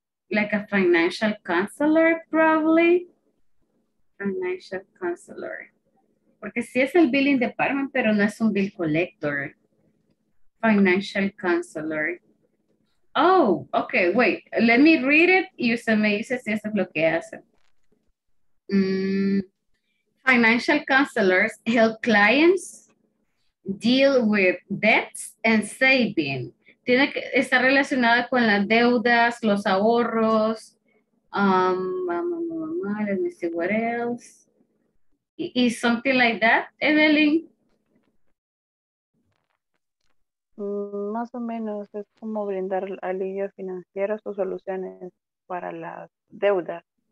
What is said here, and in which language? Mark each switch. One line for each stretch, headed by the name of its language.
English: Like a financial counselor, probably. Financial counselor.
Spanish: Porque sí es el billing department, pero no es un bill collector.
English: Financial counselor. Oh, okay, wait. Let me read it.
Spanish: Y usted me dice si eso es lo que hace.
English: Financial counselors help clients deal with debts and savings.
Spanish: Tiene que estar relacionada con las deudas, los ahorros.
English: Let me see what else. Is something like that, Evelyn?
Spanish: Más o menos, es como brindar alivio financiero o soluciones para las deudas.